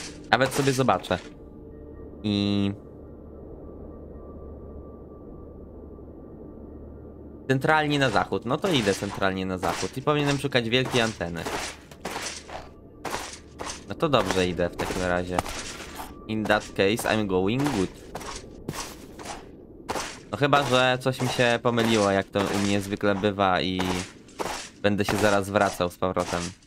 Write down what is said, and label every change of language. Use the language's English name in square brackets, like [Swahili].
[Polish] Nawet sobie zobaczę. I... Centralnie na zachód. No to idę centralnie na zachód. I powinienem szukać wielkiej anteny. No to dobrze, idę w takim razie. [English] In that case, I'm going good. [Polish] No chyba, że coś mi się pomyliło, jak to u mnie zwykle bywa i... Będę się zaraz wracał z powrotem.